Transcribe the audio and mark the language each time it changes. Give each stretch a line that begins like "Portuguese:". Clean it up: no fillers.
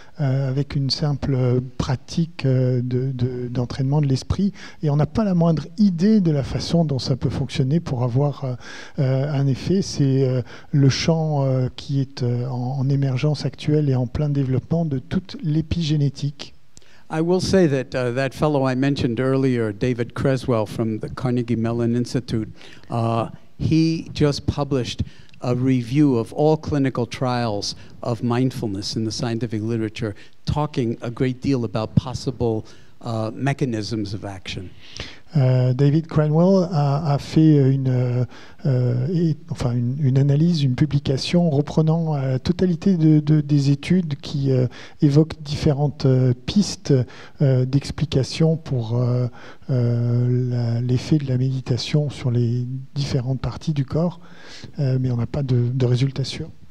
French: Avec une simple pratique d'entraînement de l'esprit, et on n'a pas la moindre idée de la façon dont ça peut fonctionner pour avoir un effet. C'est le champ qui est en émergence actuelle et en plein développement de toute l'épigénétique.
English: I will say that that fellow I mentioned earlier, David Creswell from the Carnegie Mellon Institute, he just published a review of all clinical trials of mindfulness in the scientific literature, talking a great deal about possible mechanisms of action.
French: David Cranwell a fait une analyse, une publication reprenant la totalité des études qui évoquent différentes pistes d'explication pour l'effet de la méditation sur les différentes parties du corps, mais on n'a pas de résultats sûrs.